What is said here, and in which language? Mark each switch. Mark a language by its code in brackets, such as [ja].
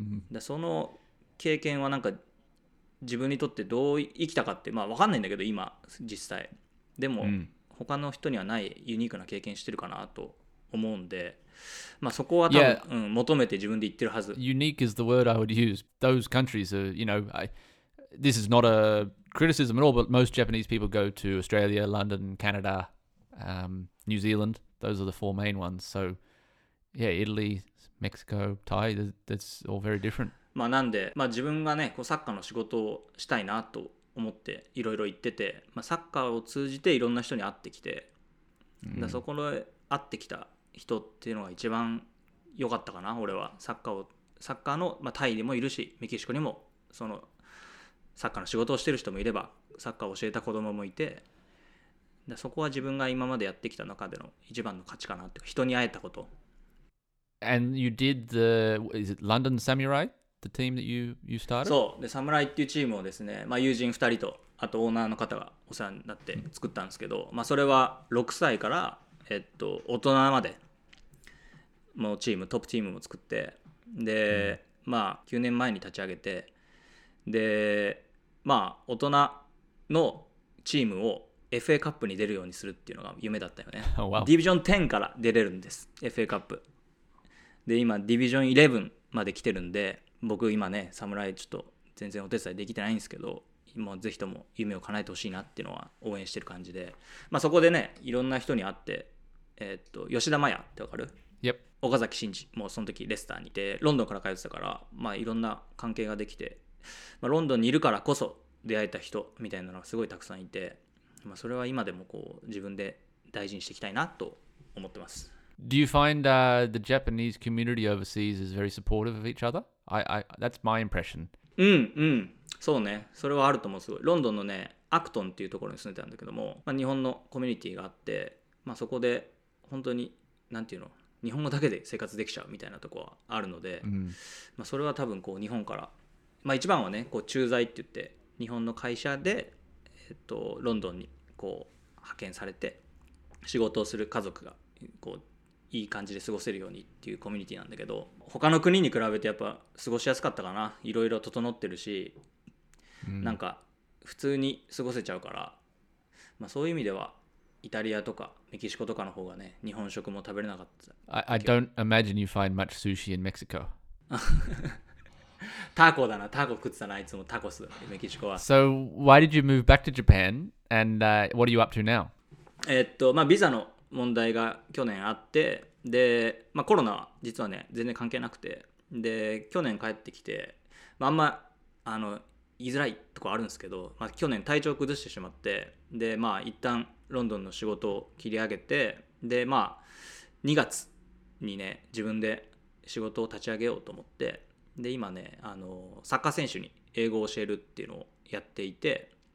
[ja] でその経験はなんか自分にとってどう生きたかってまあ分かんないんだけど今実際でも、うん、他の人にはないユニークな経験してるかなと思うんでまあそこは多分、yeah. うん、求めて自分で言ってるはず [en] Unique is the word I would use Those countries are, you know, this is not a criticism at all But most Japanese people go to Australia, London, Canada, New Zealand Those are the four main ones So yeah, Italy, Mexico, Thai, that's all very different [ja] まあなんで、まあ、自分がねこうサッカーの仕事をしたいなと思っていろいろ言ってて、まあ、サッカーを通じていろんな人に会ってきて、mm. そこで会ってきた人っていうのが一番良かったかな俺はサッカーの、まあ、タイでもいるしメキシコにもそのサッカーの仕事をしてる人もいればサッカーを教えた子供もいてでそこは自分が今までやってきた中での一番の価値かなっていうか人に会えたこと [en] And you did the is it London Samurai? The team that you started? [ja] そうで Samurai っていうチームをですね、まあ、友人2人とあとオーナーの方がお世話になって作ったんですけど、まあ、それは6歳から大人までもうチームトップチームも作ってで、うん、まあ9年前に立ち上げてでまあ大人のチームを FA カップに出るようにするっていうのが夢だったよね、 [en] oh, wow. [ja] ディビジョン10から出れるんです FA カップで今ディビジョン11まで来てるんで僕今ね侍ちょっと全然お手伝いできてないんですけどもうぜひとも夢を叶えてほしいなっていうのは応援してる感じで、まあ、そこでねいろんな人に会って、吉田麻也ってわかる、 [en] yep. [ja] 岡崎慎司もうその時レスターにいてロンドンから通ってたから、まあ、いろんな関係ができて、まあ、ロンドンにいるからこそ出会えた人みたいなのがすごいたくさんいて、まあ、それは今でもこう自分で大事にしていきたいなと思ってます [en] Do you find the Japanese community overseas is very supportive of each other? I that's my impression [ja] うんうんそうねそれはあると思うすごいロンドンのねアクトンっていうところに住んでたんだけども、まあ、日本のコミュニティがあって、まあ、そこで本当になんていうの日本語だけで生活できちゃうみたいなとこはあるので、うんまあ、それは多分こう日本から、まあ、一番はねこう駐在って言って日本の会社で、ロンドンにこう派遣されて仕事をする家族がこういい感じで過ごせるようにっていうコミュニティなんだけど他の国に比べてやっぱ過ごしやすかったかないろいろ整ってるし、うん、なんか普通に過ごせちゃうから、まあ、そういう意味ではイタリアとかメキシコとかの方がね日本食も食べれなかった [en] I don't imagine you find much sushi in Mexico [ja] タコだなタコ食ってたないつもタコスメキシコは [en] So why did you move back to Japan and what are you up to now? [ja] まあビザの問題が去年あってで、まあ、コロナは実はね全然関係なくてで去年帰ってきて、まあ、あんまあの言いづらいとこあるんですけど、まあ、去年体調崩してしまってでまあ一旦ロンドンの仕事を切り上げてでまあ2月にね自分で仕事を立ち上げようと思ってで今ねあのサッカー選手に英語を教えるっていうのをやっていて